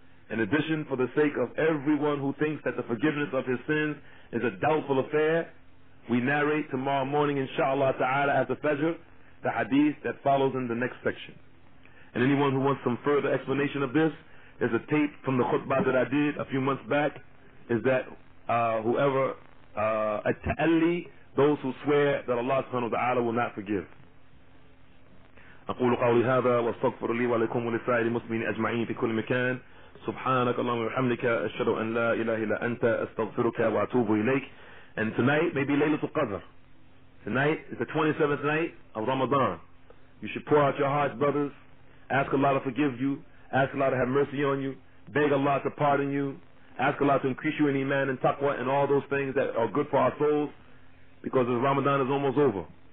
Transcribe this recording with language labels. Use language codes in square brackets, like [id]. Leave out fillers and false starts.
[en] In addition, for the sake of everyone who thinks that the forgiveness of his sins is a doubtful affair, we narrate tomorrow morning, inshallah ta'ala, after Fajr, the hadith that follows in the next section. And anyone who wants some further explanation of this, there's a tape from the khutbah that I did a few months back, is that whoever, at-ta'alli, those who swear that Allah subhanahu wa ta'ala will not forgive. [ar] أقول قولي هذا واستغفر لي ولكم ولسائر المسلمين أجمعين في كل مكان سبحانك اللهم وبحمدك أشهد أن لا إله إلا أنت أستغفرك وأتوب إليك. [en] And tonight may be ليلة القدر. Tonight is the 27th night of Ramadan. You should pour out your hearts, brothers. Ask Allah to forgive you. Ask Allah to have mercy on you. Beg Allah to pardon you. Ask Allah to increase you in iman and taqwa and all those things that are good for our souls, because Ramadan is almost over.